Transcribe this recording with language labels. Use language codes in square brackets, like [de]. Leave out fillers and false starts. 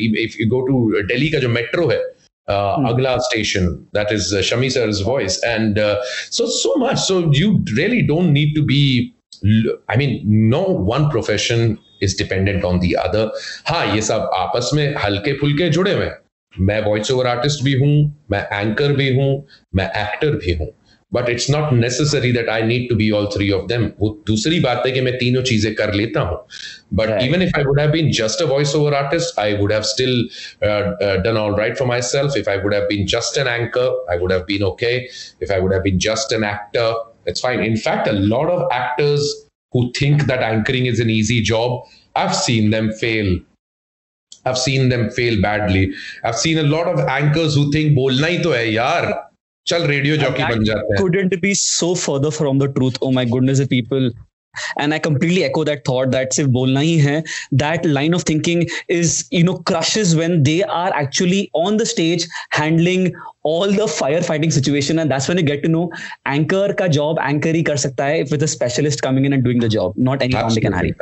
[en] If you go to [hi] Delhi ka jo metro hai, Agla station, [en] that is Shammi sir's voice. And so much. So you really don't need to be, I mean, no one profession is dependent on the other. [hi] Ha, ye sab aapas mein halke phulke jude mein. मैं voiceover artist भी हूं, मैं anchor भी हूं, मैं actor भी हूं, [en] But it's not necessary that I need to be all three of them. [hi] वो दूसरी बात है कि मैं तीनों चीजें कर लेता हूं, [en] But even if I would have been just a voiceover artist, I would have still done all right for myself. If I would have been just an anchor, I would have been okay. If I would have been just an actor, it's fine. In fact a lot of actors who think that anchoring is an easy job, I have seen them fail. I've seen them fail badly. I've seen a lot of anchors who think [hi] bolna hi to hai yaar, chal radio jockey ban jate hain. [en] Couldn't be so further from the truth. Oh my goodness, the people. And I completely echo that thought that [hi] sirf bolna hi hai. [en] That line of thinking is, you know, crushes when they are actually on the stage handling all the firefighting situation, and that's when you get to know [hi] anchor ka job anchor hi kar sakta hai [en] if it's a specialist coming in and doing the job, not any Tom, Dick and Harry.